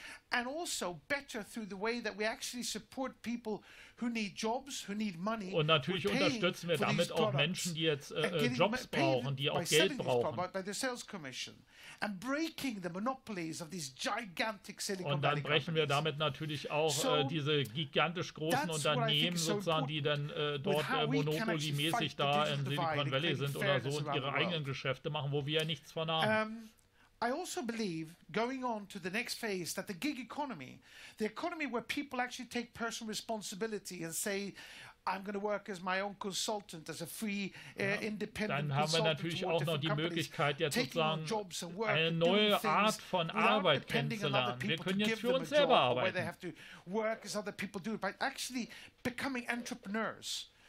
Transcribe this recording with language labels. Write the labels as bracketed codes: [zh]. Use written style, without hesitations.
[en] And also better through the way that we actually support people who need jobs, who need money. [de] Und natürlich unterstützen wir damit auch Menschen, die jetzt Jobs brauchen, die auch Geld brauchen. [en] By the sales commission and breaking the monopolies of these gigantic Silicon Valley. [de] Und dann brechen wir damit natürlich auch diese gigantisch großen Unternehmen sozusagen, die dann dort monopoliemäßig da in Silicon Valley sind oder so und ihre eigenen Geschäfte machen, wo wir ja nichts von haben. [en] I also believe, going on to the next phase, that the gig economy, the economy where people actually take personal responsibility and say, I'm going to work as my own consultant, as a free, independent [de] dann haben wir natürlich auch noch die Möglichkeit, jetzt sozusagen eine neue Art von Arbeit kennenzulernen. Wir können jetzt für uns selber arbeiten. [en] They have to work as other people do, by actually becoming entrepreneurs.